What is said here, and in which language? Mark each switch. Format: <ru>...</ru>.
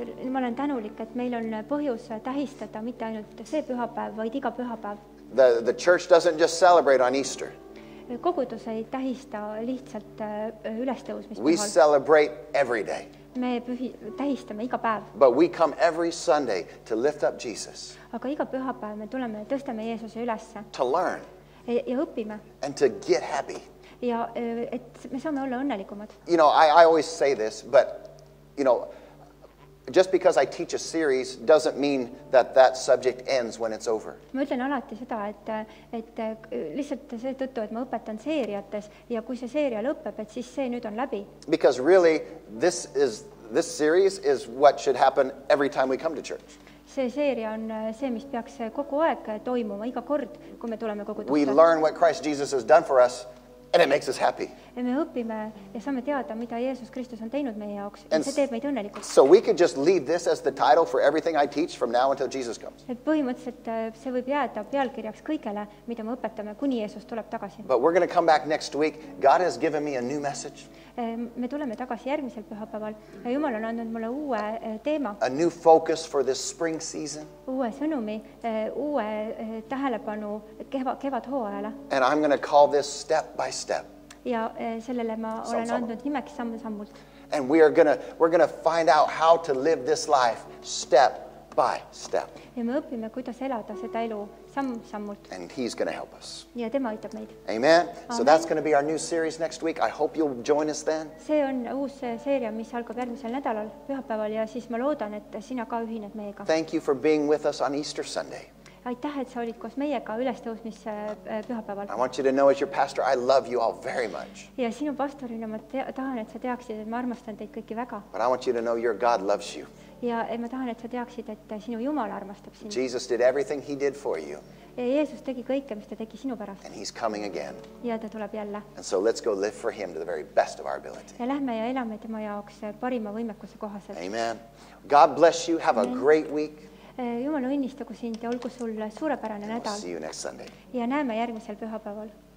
<et>Ma olen tänulik, et meil on põhjus tähistada mitte ainult see pühapäev, vaid iga pühapäev.</et> <en>The church doesn't just celebrate on Easter.</en> <et>Kogudus ei tähista lihtsalt ülestõusmispühade.</et> <en>We celebrate every day.</en> <et>Me tähistame iga päev.</et> <en>But we come every Sunday to lift up Jesus.</en> <et>Aga iga pühapäev me tuleme tõstame Jeesuse ülesse.</et> <en>To learn.</en> <et>Ja õppime.</et> <en>And to get happy.</en> <et>Ja et me saame olla õnnelikumad.</et> <en>You know, I always say this, but you know, just because I teach a series doesn't mean that subject ends when it's over.</en> <et>Ma ütlen alati seda, et lihtsalt see tõttu, et ma õpetan seeriates ja kui see seeria lõpeb, et siis see nüüd on läbi.</et> <en>Because really this series is what should happen every time we come to church.</en> <et>See seeria on see, mis peaks kogu aeg toimuma iga kord, kui me tuleme kogudusse.</et> <en>We learn what Christ Jesus has done for us and it makes us happy.</en> <et>Ja me õpime ja saame teada, mida Jeesus Kristus on teinud meie jaoks ja see teeb meid õnnelikult.</et> <en>So we could just leave this as the title for everything I teach from now until Jesus comes.</en> <et>Et põhimõtteliselt see võib jääda pealkirjaks kõigele, mida me õpetame, kuni Jeesus tuleb tagasi.</et> <en>But we're going to come back next week. God has given me a new message.</en> <et>Me tuleme tagasi järgmisel pühapäeval ja Jumal on andnud mulle uue teema.</et> <en>A new focus for this spring season.</en> <et>Uue sõnumi, uue tähelepanu kevad hooajale.</et> <en>And I'm going to call this step by step.</en> <et>Ja sellele ma olen andnud nimeks sammult.</et> <en>And we're gonna find out how to live this life step by step.</en> <et>Ja me õpime, kuidas elada seda elu sammult.</et> <en>And he's gonna help us.</en> <et>Ja tema aitab meid.</et> <en>Amen. So that's gonna be our new series next week. I hope you'll join us then.</en> <et>See on uus seeria, mis algab järgmisel nädalal, pühapäeval ja siis ma loodan, et sina ka ühined meiega.</et> <en>Thank you for being with us on Easter Sunday.</en> <et>Aitäh, et sa olid koos meiega ülestõusmis pühapäeval.</et> <en>I want you to know as your pastor, I love you all very much.</en> <et>Ja sinu pastorina ma tahan, et sa teaksid, et ma armastan teid kõiki väga.</et> <en>But I want you to know your God loves you.</en> <et>Ja ma tahan, et sa teaksid, et sinu Jumal armastab sind.</et> <en>Jesus did everything he did for you.</en> <et>Ja Jeesus tegi kõike, mis ta tegi sinu pärast.</et> <en>And he's coming again.</en> <et>Ja ta tuleb jälle.</et> <en>And so let's go live for him to the very best of our ability.</en> <et>Ja lähme ja elame tema jaoks parima võimekuse kohaselt.</et> <en>Amen. God bless you. Have a great week.</en> <et>Jumal õnnistagu sind ja olgu sul suurepärane nädal.</et> <en>See you next Sunday.</en> <et>Ja näeme järgmisel pühapäeval.</et>